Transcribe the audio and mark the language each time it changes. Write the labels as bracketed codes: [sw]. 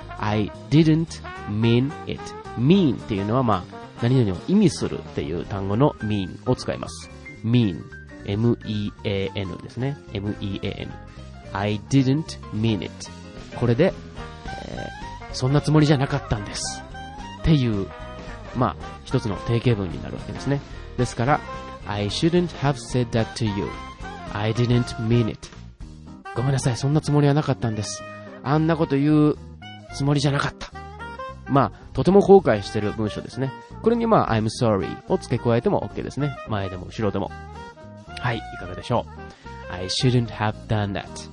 [en] I didn't mean it。 [ja] mean っていうのはまあ何々を意味するっていう単語の mean を使います。 mean、 M-E-A-N ですね。M-E-A-N。 [en] I didn't mean it。 [ja] これで、そんなつもりじゃなかったんですっていう、まあ一つの定型文になるわけですね。 [en] ですから I shouldn't have said that to you。 I didn't mean it。 [ja] ごめんなさい、そんなつもりはなかったんです。あんなこと言うつもりじゃなかった。まあとても後悔してる文章ですね。これにまあ [en] I'm sorry [ja] を付け加えても OK ですね。前でも後ろでも。はい、いかがでしょう。 [en] I shouldn't have done that。